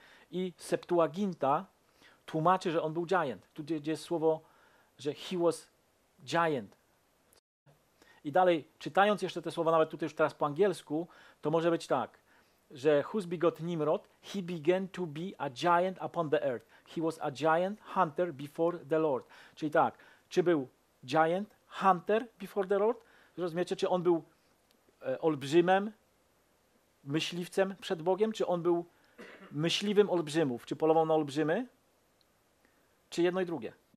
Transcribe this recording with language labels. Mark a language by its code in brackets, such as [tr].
[pl] I Septuaginta tłumaczy, że on był giant. Tu gdzie jest słowo, że [en] he was giant. [pl] I dalej, czytając jeszcze te słowa, nawet tutaj już teraz po angielsku, to może być tak, że [en] who's begot Nimrod, he began to be a giant upon the earth. [pl] He was a giant hunter before the Lord. Czyli tak, czy był [en] giant hunter before the Lord? [pl] Rozumiecie, czy on był olbrzymem, myśliwcem przed Bogiem, czy on był myśliwym olbrzymów, czy polował na olbrzymy, czy jedno i drugie?